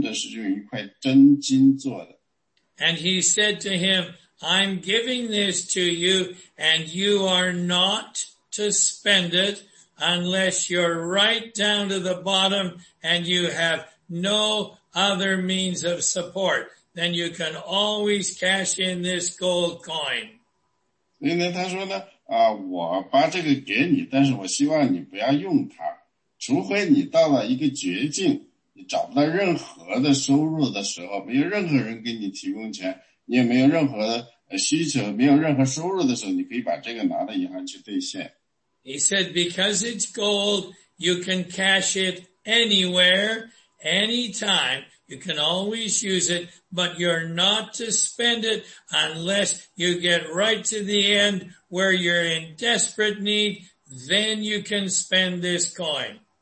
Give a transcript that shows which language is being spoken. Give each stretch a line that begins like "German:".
Chinese: 因为他给了他做成的一个就像一个硬币那样的，不管这个是什么做的，但是它是真的是用一块真金做的。
English: And he said to him, I'm giving this to you and you are not to spend it unless you're right down to the bottom and you have no other means of support. Then you can always cash in this gold coin.
Chinese: 因为他说呢, 我把这个给你，但是我希望你不要用它，除非你到了一个绝境，你找不到任何的收入的时候，没有任何人给你提供钱，你也没有任何需求，没有任何收入的时候，你可以把这个拿到银行去兑现。
English: He said, because it's gold, you can cash it anywhere, anytime. You can always use it, but you're not to spend it unless you get right to the end where you're in desperate need, then you can spend this coin.